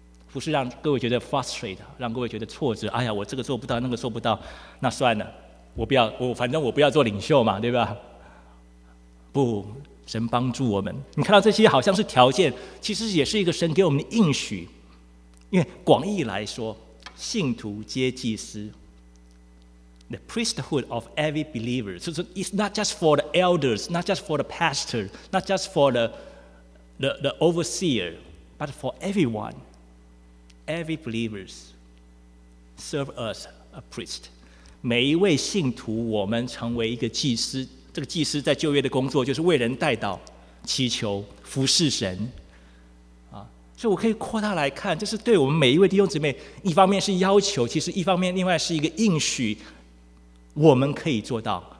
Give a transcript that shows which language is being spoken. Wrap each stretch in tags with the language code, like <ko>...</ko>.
<zh>不是让各位觉得 frustrated， 让各位觉得挫折，哎呀，我这个做不到，那个做不到，那算了，我不要，我反正我不要做领袖嘛，对吧？不，神帮助我们。你看到这些好像是条件，其实也是一个神给我们的应许。因为广义来说，信徒皆祭司。</zh> <en>The priesthood of every believer. So it's not just for the elders, not just for the pastor, not just for the overseer, but for everyone. Every believers serve as a priest.</en> <zh>每一位信徒，我们成为一个祭司。这个祭司在旧约的工作就是为人代祷、祈求、服侍神。所以我可以扩大来看，这是对我们每一位弟兄姊妹，一方面是要求，其实一方面另外是一个应许，我们可以做到。</zh>